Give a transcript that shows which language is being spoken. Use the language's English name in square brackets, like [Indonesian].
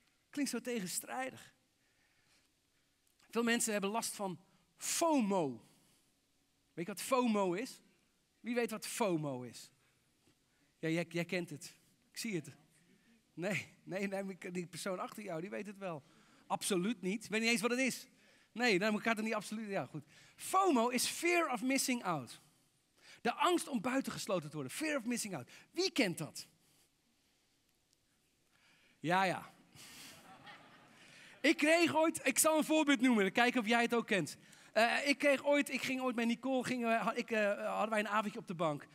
[Dutch] Klinkt zo tegenstrijdig. Veel mensen hebben last van FOMO. Weet je wat FOMO is? Wie weet wat FOMO is? Ja, jij kent het. Ik zie het. Nee, die persoon achter jou, die weet het wel. Absoluut niet. Ik weet niet eens wat het is. Nee, dan gaat het niet absoluut. Ja, goed. [English] FOMO is fear of missing out. [Dutch] De angst om buitengesloten te worden. [English] Fear of missing out. [Dutch] Wie kent dat? Ja. Ik zal een voorbeeld noemen, kijken of jij het ook kent. Ik ging ooit met Nicole, hadden wij een avondje op de bank.